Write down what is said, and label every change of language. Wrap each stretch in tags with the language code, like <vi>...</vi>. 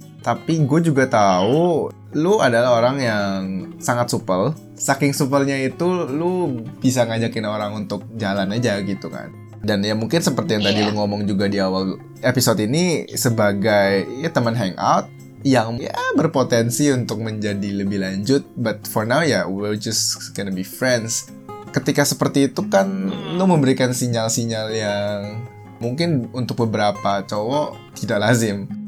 <id>Tapi gue juga tahu, lo adalah orang yang sangat supel. Saking supelnya itu, lo bisa ngajakin orang untuk jalan aja gitu kan. Dan ya mungkin seperti yang tadi lo ngomong juga di awal episode ini, sebagai ya, teman hangout yang ya berpotensi untuk menjadi lebih lanjut.</id> <en>But for now ya, we're just gonna be friends.</en> <id>Ketika seperti itu kan lu memberikan sinyal-sinyal yang mungkin untuk beberapa cowok tidak lazim.</id>